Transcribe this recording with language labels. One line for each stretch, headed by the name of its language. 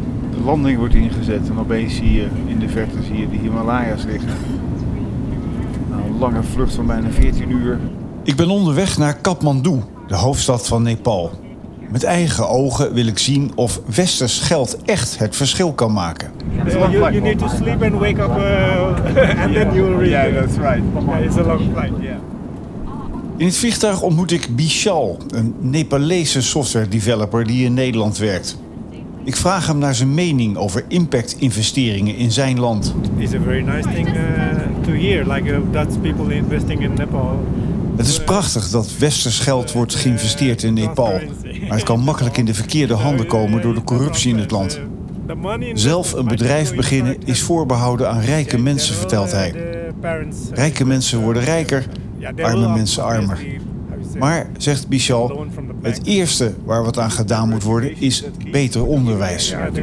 Dutch: De landing wordt ingezet en opeens zie je in de verte zie je de Himalaya's liggen. Nou, een lange vlucht van bijna 14 uur. Ik ben onderweg naar Kathmandu, de hoofdstad van Nepal. Met eigen ogen wil ik zien of westers geld echt het verschil kan maken.
English: You need to sleep and wake up and then you'll read. Yeah, that's right. It's a long flight, yeah.
Dutch: In het vliegtuig ontmoet ik Bishal, een Nepalese software developer die in Nederland werkt. Ik vraag hem naar zijn mening over impact investeringen in zijn land.
English: It's a very nice thing to hear, like that's people investing in Nepal.
Dutch: Het is prachtig dat westers geld wordt geïnvesteerd in Nepal. Maar het kan makkelijk in de verkeerde handen komen door de corruptie in het land. Zelf een bedrijf beginnen is voorbehouden aan rijke mensen, vertelt hij. Rijke mensen worden rijker, arme mensen armer. Maar, zegt Bishal, het eerste waar wat aan gedaan moet worden is beter onderwijs.